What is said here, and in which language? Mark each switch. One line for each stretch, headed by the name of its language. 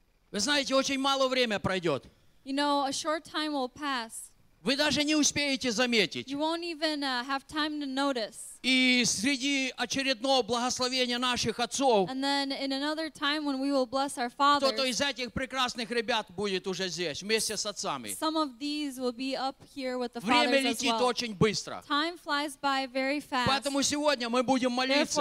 Russian: Вы знаете, очень мало время пройдет.
English: You know, a short time will pass.
Russian: Вы даже не успеете заметить.
English: You won't even have time to notice.
Russian: И среди очередного благословения наших отцов,
English: and then in another time when we will bless our fathers,
Russian: кто-то из этих прекрасных ребят будет уже здесь вместе с отцами.
English: Some of these will be up here with the fathers.
Russian: Время летит очень быстро.
English: Time flies by very fast.
Russian: Поэтому сегодня мы будем молиться.